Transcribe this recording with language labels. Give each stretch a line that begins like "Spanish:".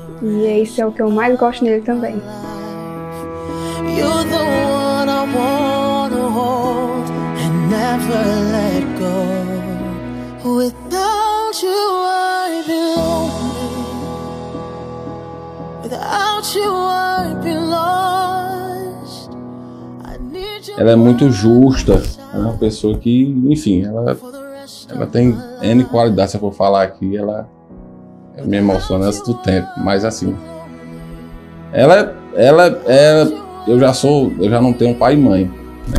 Portuguese: E esse é o que eu mais gosto nele também.
English: You're the one I wanna hold and never let go. Without you, I'd be lonely. Without you, I'd be lost.
Portuguese: Ela é muito justa, ela é uma pessoa que, enfim, ela tem N qualidades. Se eu for falar aqui, ela me emociona antes do tempo, mas assim, eu já não tenho pai e mãe, né?